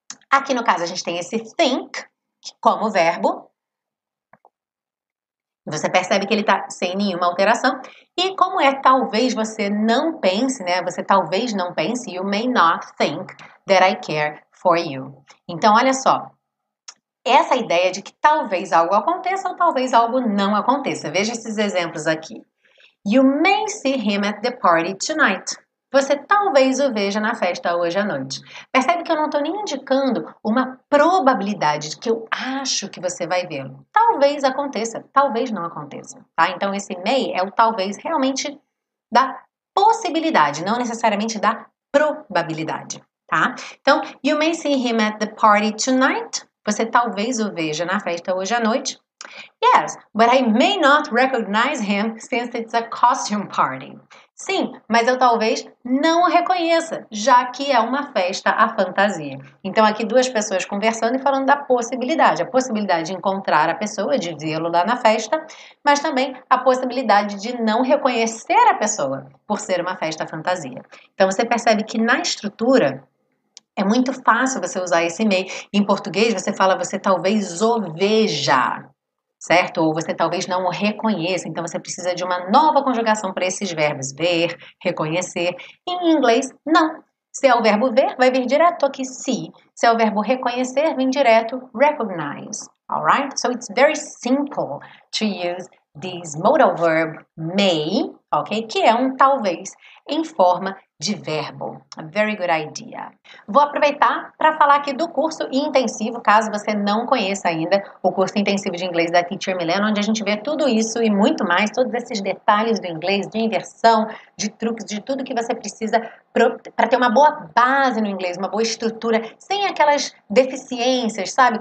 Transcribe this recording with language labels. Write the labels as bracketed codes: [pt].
[pt] Aqui no caso a gente tem esse think. Como verbo, você percebe que ele está sem nenhuma alteração. E como é talvez você não pense, né? Você talvez não pense, [en] you may not think that I care for you. [pt] Então, olha só, essa ideia de que talvez algo aconteça ou talvez algo não aconteça. Veja esses exemplos aqui. [en] You may see him at the party tonight. [pt] Você talvez o veja na festa hoje à noite. Percebe que eu não estou nem indicando uma probabilidade de que eu acho que você vai vê-lo. Talvez aconteça, talvez não aconteça, tá? Então esse may é o talvez realmente da possibilidade, não necessariamente da probabilidade, tá? Então, [en] you may see him at the party tonight. [pt] Você talvez o veja na festa hoje à noite. [en] Yes, but I may not recognize him since it's a costume party. [pt] Sim, mas eu talvez não o reconheça, já que é uma festa à fantasia. Então, aqui duas pessoas conversando e falando da possibilidade. A possibilidade de encontrar a pessoa, de vê-lo lá na festa, mas também a possibilidade de não reconhecer a pessoa por ser uma festa à fantasia. Então, você percebe que na estrutura é muito fácil você usar esse may. Em português, você fala, você talvez o veja. Certo? Ou você talvez não o reconheça, então você precisa de uma nova conjugação para esses verbos ver, reconhecer. Em inglês, não. Se é o verbo ver, vai vir direto aqui see. Se é o verbo reconhecer, vem direto recognize. [en] Alright? So it's very simple to use this modal verb may, ok? [pt] Que é um talvez em forma de verbo. [en] A very good idea. [pt] Vou aproveitar para falar aqui do curso intensivo, caso você não conheça ainda o curso intensivo de inglês da Teacher Milena, onde a gente vê tudo isso e muito mais, todos esses detalhes do inglês, de inversão, de truques, de tudo que você precisa para ter uma boa base no inglês, uma boa estrutura, sem aquelas deficiências, sabe?